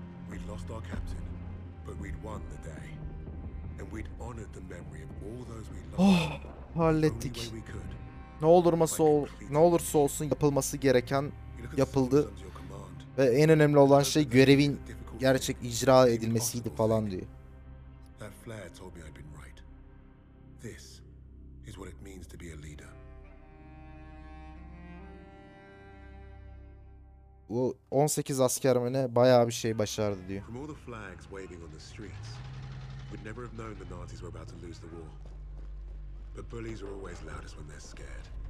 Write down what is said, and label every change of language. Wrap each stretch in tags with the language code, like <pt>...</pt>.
<en>We lost our captain, but we'd won the day. We'd honored the memory of all those we loved.</en> <tr>Hallettik. Ne olursa olsun, ne olursa olsun yapılması gereken yapıldı. Ve en önemli olan şey görevin gerçek icra edilmesiydi falan diyor.</tr> <en>That flare told me I'd been right. This is what it means to be a leader.</en> <tr>Bu 18 asker mi ne, bayağı bir şey başardı diyor.</tr> <en>We'd never have known the Nazis were about to lose the war. But bullies are always loudest when they're scared.</en>